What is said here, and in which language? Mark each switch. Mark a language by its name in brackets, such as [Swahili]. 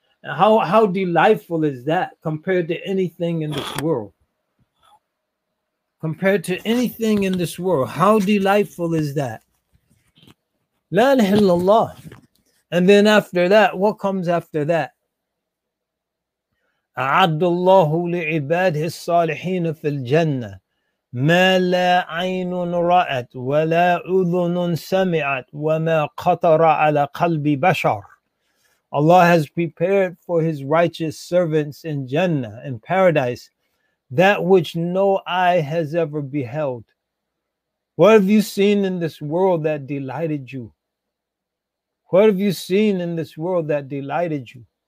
[English] And how delightful is that compared to anything in this world? Compared to anything in this world, how delightful is that? [Arabic] La ilaha illallah. [English] And then after that, what comes after that? [Arabic] أعد الله لعباده الصالحين في الجنة ما لا عين رأت ولا أذن سمعت وما قطر على قلب بشر. [English] Allah has prepared for His righteous servants in Jannah, in paradise, that which no eye has ever beheld. What have you seen in this world that delighted you? What have you seen in this world that delighted you?